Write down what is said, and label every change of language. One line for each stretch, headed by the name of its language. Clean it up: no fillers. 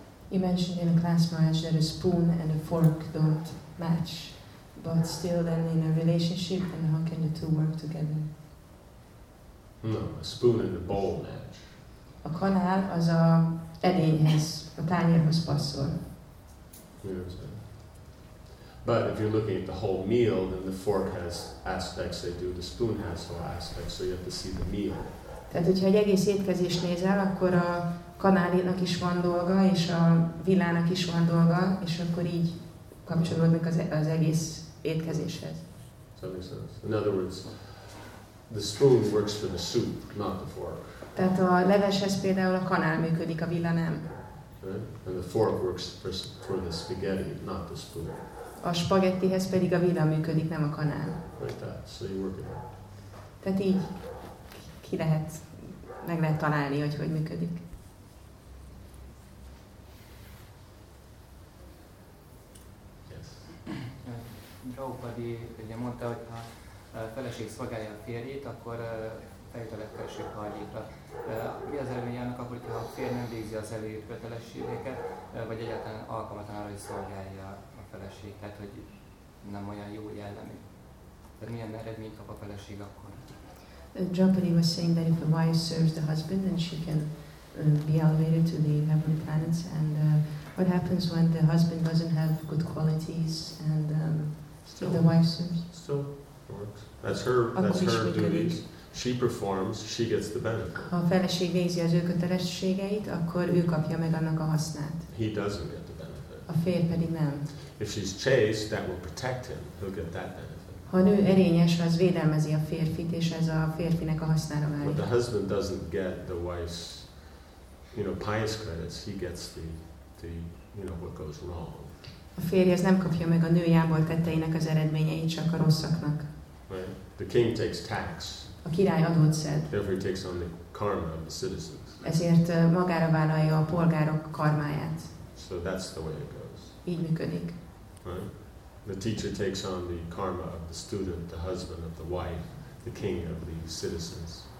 English: You mentioned in a class marriage that a spoon and a fork don't match, but still then in a relationship, then how can the two work together? No, a spoon and a bowl match.
Hungarian: A kanál az a edényhez, a tányérhoz passzol.
English: Yes. But if you're looking at the whole meal, then the fork has aspects they do, the spoon has whole aspects, so you have to see the meal.
Hungarian: Tehát, hogyha egy egész étkezést nézel, akkor a kanálénak is van dolga, és a villának is van dolga, és akkor így kapcsolódnak az egész étkezéshez.
English: In other words, the spoon works for the soup, not the fork.
Hungarian: Tehát a leveshez például a kanál működik, a villa nem.
English: Right? And the fork works for the spaghetti, not the spoon.
Hungarian: A spagettihez pedig a villa működik, nem a kanál.
English: Like that, so you work it out.
Hungarian: Tehát így ki lehet, meg lehet találni, hogy működik. Prabhupada ugye mondta, hogy ha a feleség szolgálja a férjét, akkor feltételek felső karjékra. Mi az előnye annak, akkor, hogyha a férj nem végzi az előírt kötelességeket, vagy egyáltalán alkalmatlan arra, hogy szolgálja a feleség, tehát hogy nem olyan jó jellemű. Tehát milyen eredményt kap a feleség akkor?
English: Prabhupada was saying that if a wife serves the husband, then she can be elevated to the heavenly planets. And what happens when the husband doesn't have good qualities and still, the wife serves. Still works. That's her duties. She performs, she gets the benefit.
Hungarian: Ha a feleség végzi az ő kötelességeit, akkor ő kapja meg annak a hasznát.
English: He doesn't get the benefit.
Hungarian: A férj pedig nem.
English: If she's chaste, that will protect him. He'll get that benefit.
Hungarian: Ha a nő erényes, az védelmezi a férfit, és ez a férfinek a hasznára válik.
English: But the husband doesn't get the wife's, you know, pious credits. He gets the you know, what goes wrong.
Hungarian: A férj az nem kapja meg a nő jából tetteinek az eredményeit, csak a rosszaknak.
English: Right. The king takes tax.
Hungarian: A király adót szed.
English: Therefore he takes on the karma of the citizens.
Hungarian: Ezért magára vállalja a polgárok karmáját.
English: So that's the way it goes.
Hungarian: Így működik.
English: Right. The teacher takes on the karma of the student, the husband of the wife, the king of the citizens.